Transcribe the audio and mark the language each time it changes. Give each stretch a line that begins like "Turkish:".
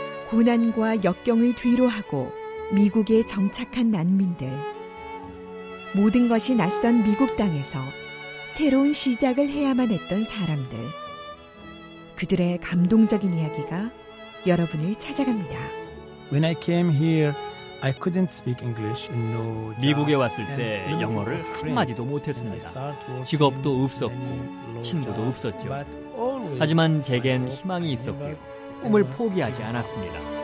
Korean: 고난과 역경을 뒤로하고 미국에 정착한 난민들, 모든 것이 낯선 미국 땅에서 새로운 시작을 해야만 했던 사람들, 그들의 감동적인 이야기가 여러분을 찾아갑니다.
English: When I came here, I couldn't speak English. No,
Korean: 미국에 왔을 때 영어를 한마디도 못했습니다. 직업도 없었고 친구도 없었죠. 하지만 제겐 희망이 있었고 꿈을 포기하지 않았습니다.